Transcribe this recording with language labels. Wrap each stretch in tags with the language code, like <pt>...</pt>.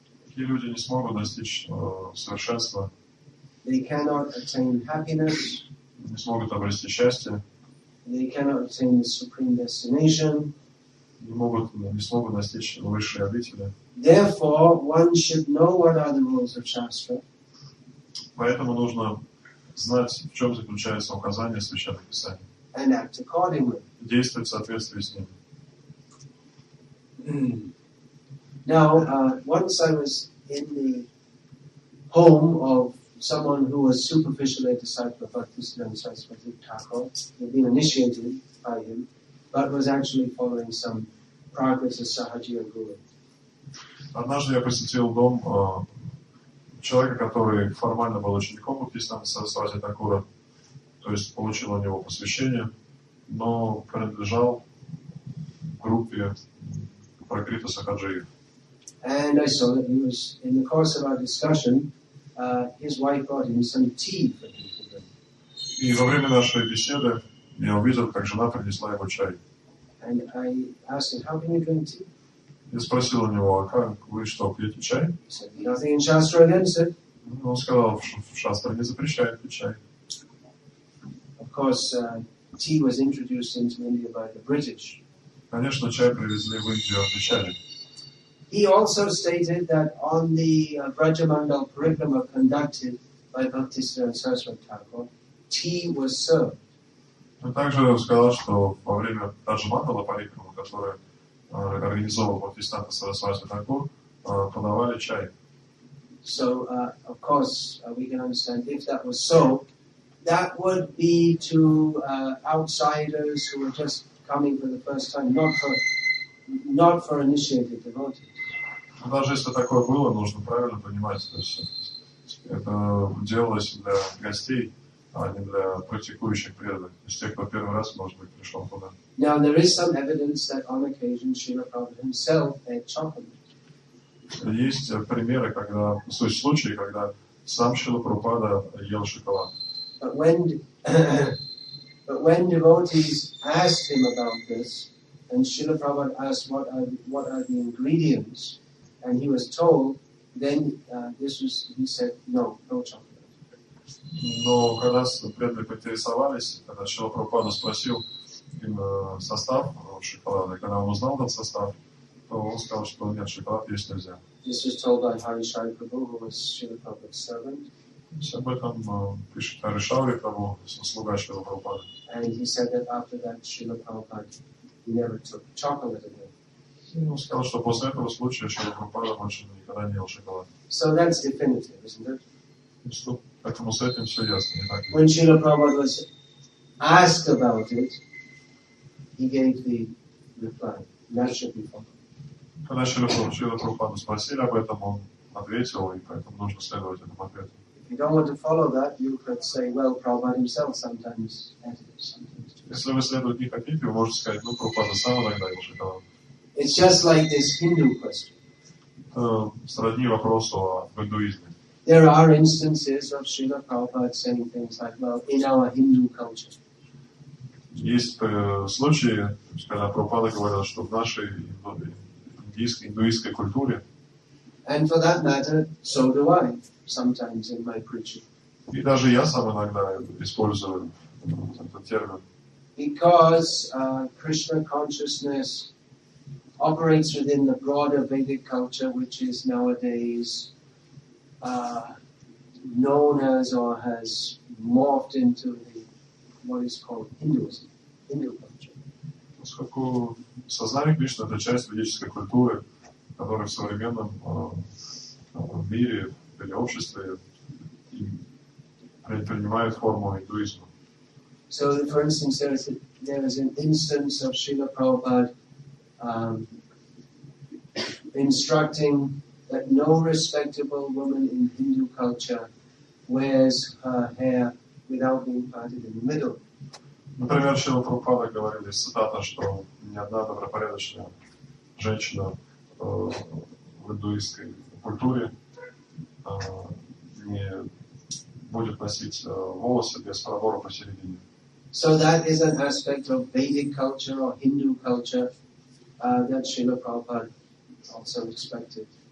<ru>Такие люди не смогут достичь совершенства.</ru> <en>They cannot attain happiness.</en> <ru>Не смогут обрести счастье.</ru> <en>They cannot attain the supreme destination.</en> <ru>Не смогут достичь высшей обители.</ru> <en>Therefore, one should know what are the rules of Shastra.</en> <ru>Поэтому нужно знать, в чем заключается указание Священного Писания.</ru> <en>And act accordingly.</en> <ru>Действовать в соответствии с ними.</ru> <en>Now, once I was in the home of someone who was superficially a disciple of Bhaktisiddhanta Saraswati Thakur, had been initiated by him, but was actually following some progress of Sahajiya Guru.</en> <ru>Однажды я посетил дом человека, который формально был учеником Бхактисиддханта Сарасвати Такура, то есть получил у него посвящение, но принадлежал группе Пракрита Сахаджии.</ru> <en>And I saw that he was in the course of our discussion. His wife brought him some tea for him to drink.</en> <ru>И во время нашей беседы я увидел, как жена принесла ему чай.</ru> <en>And I asked him, "How can you drink tea?"</en> <ru>Я спросил у него, а как вы что, пьете чай?</ru> <en>He said, "Nothing in Shastra against it."</en> <ru>Он сказал, что в Шастре не запрещают пить чай.</ru> <en>Of course, tea was introduced into India by the British.</en> <ru>Конечно, чай привезли в Индию от Вишали.</ru> <en>He also stated that on the Brajamandal Parikrama conducted by Bhaktisiddhanta Saraswati Thakur, tea was served.</en> <ru>Он также сказал, что во время Брajamandala Parikrama, который организовал Бхактисиддханта Сарасвати Такур, подавали чай.</ru> <en>So, of course, we can understand if that was so, that would be to outsiders who were just coming for the first time, not for initiated devotees.</en> <ru>Даже если такое было, нужно правильно понимать, то есть это делалось для гостей, не для практикующих преданных, то есть тех, кто первый раз, может быть, пришел туда.</ru> <en>Now there is some evidence that on occasion Srila Prabhupada himself ate chocolate.</en> <ru>Есть примеры, когда случаи, когда сам Шрила Прабхупада ел шоколад.</ru> <en>But when devotees asked him about this, and Srila Prabhupada asked what are the ingredients, and he was told, he said no chocolate.</en> <ru>Но когда преданные поинтересовались, когда Шрила Прабхупада спросил им состав шоколада, когда он узнал этот состав, то он сказал, что нет, шоколад есть нельзя.</ru> <en>This was told by Harishari Prabhu, who was Shri Prabhupada's servant.</en> <ru>Все об этом пишет Харишари Прабху, слуга Шрила Прабхупады.</ru> <en>And he said that after that Shrila Prabhupada never took chocolate again.</en> <ru>Он сказал, что после этого случая Шрила Прабхупада больше никогда не ел шоколад.</ru> <en>So that's definitive, isn't it?</en> <ru>Поэтому с этим все ясно.</ru> <en>When Srila Prabhupada was asked about it, he gave the reply. That should be followed.</en> <ru>Когда Шрила Прабхупада спросили об этом, он ответил, и поэтому нужно следовать этому ответу.</ru> <en>If you don't want to follow that, you could say, well, Prabhupada himself sometimes added sometimes.</en> <ru>Если вы следовать не хотите, вы можете сказать, ну, Прабхупада сам иногда ел шоколад.</ru> <en>It's just like this Hindu question.</en> <ru>Сродни вопросу о индуизме.</ru> <en>There are instances of Srila Prabhupada saying things like, well, in our Hindu culture.</en> <ru>Есть случаи, когда Прабхупада говорил, что в нашей индуистской культуре.</ru> <en>And for that matter, so do I, sometimes in my preaching.</en> <ru>И даже я сам иногда использую этот термин.</ru> <en>Because Krishna consciousness operates within the broader Vedic culture, which is nowadays known as or has morphed into the what is called Hinduism, Hindu culture.</en> <ru>Поскольку сознание Кришны — это часть ведической культуры, которая в современном мире или обществе принимает форму индуизма.</ru> <en>So, for instance, there is an instance of Srila Prabhupada instructing that no respectable woman in Hindu culture wears her hair without being parted in the middle.</en> <ru>Например, Шрила Прабхупада говорили, цитата, что ни одна добропорядочная женщина в индуистской культуре не будет носить волосы без пробора посередине.</ru> <en>So that is an aspect of Vedic culture or Hindu culture that Srila Prabhupada also expected.</en>